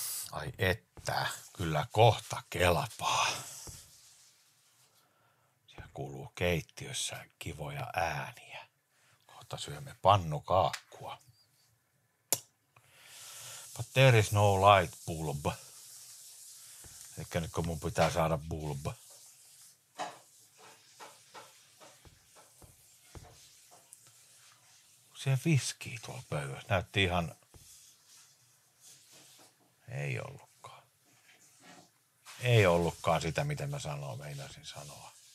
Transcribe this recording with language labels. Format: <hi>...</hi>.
<fi>Ai että, kyllä kohta kelpaa. Siellä kuuluu keittiössä kivoja ääniä. Kohta syömme pannukaakkua.</fi> <en>But there is no light bulb.</en> <fi>Eikä nyt kun mun pitää saada bulb. Onko siellä viskiä tuolla pöydässä? Näytti ihan... Ei ollutkaan. Ei ollutkaan sitä, mitä mä sanoin, meinasin sanoa.</fi>